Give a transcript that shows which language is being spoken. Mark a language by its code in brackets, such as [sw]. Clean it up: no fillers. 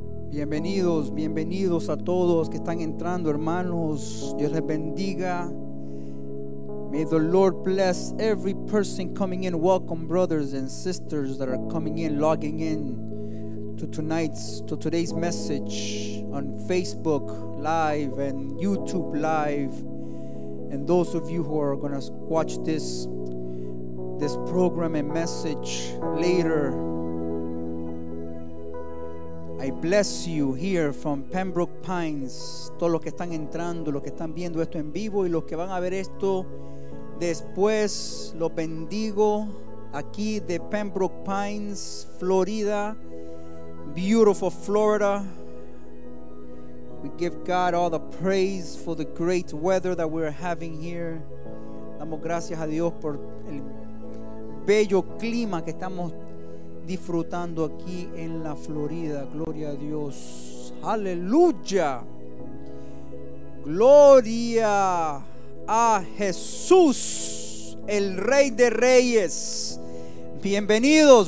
[es] Bienvenidos, bienvenidos a todos que están entrando, hermanos. Dios les bendiga. [en] May the Lord bless every person coming in. Welcome brothers and sisters that are coming in, logging in to tonight's, to today's message on Facebook Live and YouTube Live. And those of you who are going to watch this program and message later, I bless you here from Pembroke Pines. [es] Todos los que están entrando, los que están viendo esto en vivo y los que van a ver esto después, los bendigo aquí de Pembroke Pines, Florida. [en] Beautiful Florida. We give God all the praise for the great weather that we're having here. [es] Damos gracias a Dios por el bello clima que estamos disfrutando aquí en la Florida. Gloria a Dios. Aleluya. Gloria a Jesús, el Rey de Reyes. Bienvenidos.